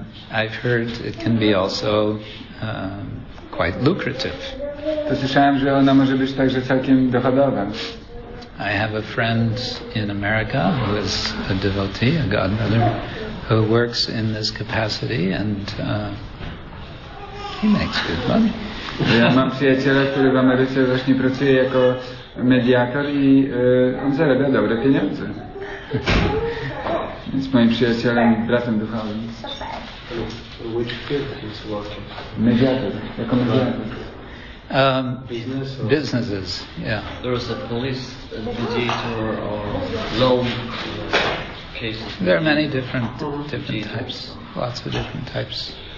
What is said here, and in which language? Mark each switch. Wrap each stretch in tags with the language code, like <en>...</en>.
<en>I've heard it can be also quite lucrative.</en> <pl>To słyszałem, że ona może być także całkiem dochodowa.</pl> <en>I have a friend in America who is a devotee, a godmother, who works in this capacity, and he makes good money.</en> <pl>Ja mam przyjaciela, który w Ameryce właśnie pracuje jako mediator i on zarabia dobre pieniądze. Jest moim przyjacielem, bratem duchowym. Mediator, jako mediator.</pl> <en>Businesses, yeah. There is a police mediator or loan cases. There are many different types, lots of different types.</en>